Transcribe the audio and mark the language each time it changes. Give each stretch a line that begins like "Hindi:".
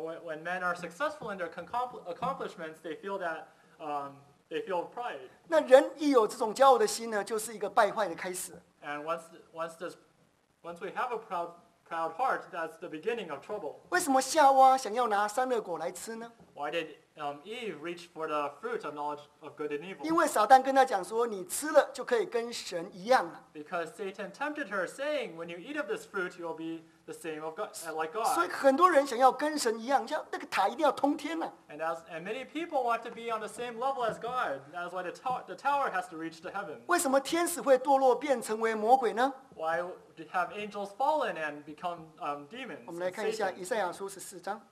English: when men are successful in their accomplishments, they feel that they feel pride.
Chinese: 那人一有这种骄傲的心呢，就是一个败坏的开始。And
English: once we have a proud heart, that's the beginning of trouble.
Chinese: 为什么夏娃想要拿善恶果来吃呢？
English: Why did Eve reach for the fruit of knowledge of good and evil?
Chinese: 因为撒旦跟他讲说，你吃了就可以跟神一样了。Because
English: Satan tempted her, saying, "When you eat of this fruit, you will be the same of God, like God."
Chinese: 所以很多人想要跟神一样，像那个塔一定要通天了。And
English: many people want to be on the same level as God. That's why the tower has to reach the heavens.
Chinese: 为什么天使会堕落变成为魔鬼呢？
English: Why have angels fallen and become demons?
Chinese: 我们来看一下以赛亚书14章。